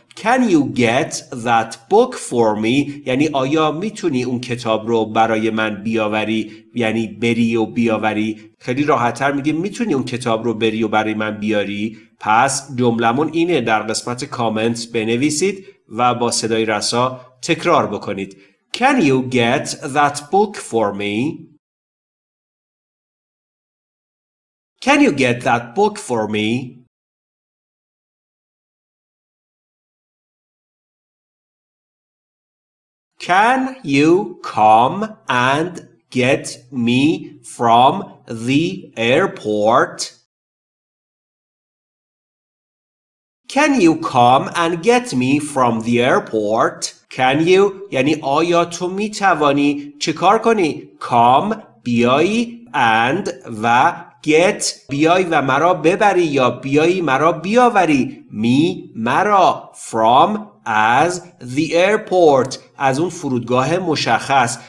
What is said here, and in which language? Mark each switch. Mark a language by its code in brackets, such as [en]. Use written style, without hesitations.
[en] Can you get that book for me [fa] یعنی آیا میتونی اون کتاب رو برای من بیاوری، یعنی بری و بیاوری. خیلی راحت‌تر میگیم میتونی اون کتاب رو بری و برای من بیاری. پس جملمون اینه، در قسمت کامنت بنویسید و با صدای رسا تکرار بکنید. [en] Can you get that book for me؟ Can you get that book for me؟ Can you come and get me from the airport? Can you come and get me from the airport? Can you [fa] یعنی آیا تو می توانی، چه کار کنی؟ Come بیای، and و get بیای و مرا ببری یا بیای مرا بیاوری. Me مرا، from از the airport از اون فرودگاه مشخص.